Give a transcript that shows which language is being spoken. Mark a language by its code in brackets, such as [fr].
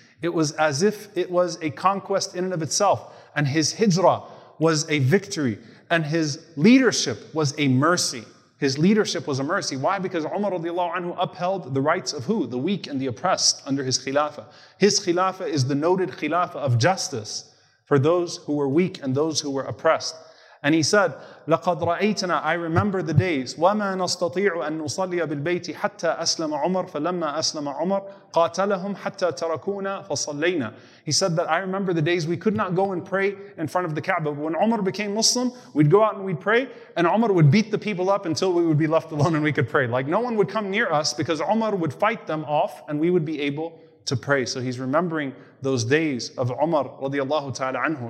[en] It was as if it was a conquest in and of itself. And his hijrah was a victory. And his leadership was a mercy. His leadership was a mercy. Why? Because Umar radiallahu anhu upheld the rights of who? The weak and the oppressed under his khilafah. His khilafah is the noted khilafah of justice for those who were weak and those who were oppressed. And he said, [ar] لَقَدْ رَأَيْتَنَا, [en] I remember the days, [ar] وَمَا نَسْتَطِيعُ أَن نُصَلِّيَ بِالْبَيْتِ حَتَّى أَسْلَمَ عُمَرُ فَلَمَّا أَسْلَمَ عُمَرُ قَاتَلَهُمْ حَتَّى تَرَكُونَا فَصَلَّيْنَا. [en] He said that, I remember the days we could not go and pray in front of the Kaaba. When Umar became Muslim, we'd go out and we'd pray, and Umar would beat the people up until we would be left alone and we could pray. Like, no one would come near us because Umar would fight them off and we would be able to pray. So he's remembering those days of Umar radiallahu ta'ala anhu.